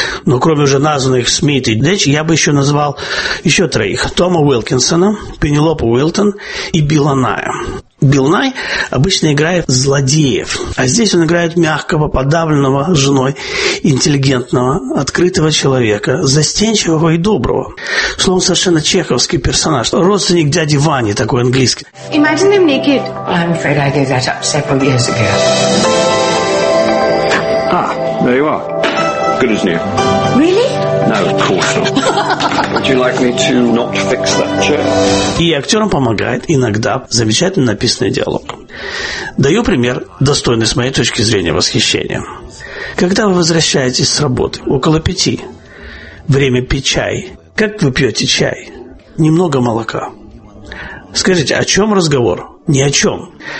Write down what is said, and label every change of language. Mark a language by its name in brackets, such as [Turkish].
[Russian] Но кроме уже названных Смит и Дэч, я бы еще назвал еще троих. Тома Уилкинсона, Пенелопу Уилтон и Билла Ная. Билл Най обычно играет злодеев, а здесь он играет мягкого, подавленного женой, интеллигентного, открытого человека, застенчивого и доброго. Словом, совершенно чеховский персонаж, родственник дяди Вани, такой английский. [English] Imagine them naked. I'm afraid I gave that up several years ago. Ah, there you are. Good as new. Really? No, of course not. Would you like me to not fix that chair? [Russian] И актерам помогает иногда замечательно написанный диалог. Даю пример, достойный с моей точки зрения восхищения. Когда вы возвращаетесь с работы, около пяти, время пить чай. Как вы пьете чай? Немного молока. Скажите, о чем разговор? Ни о чем.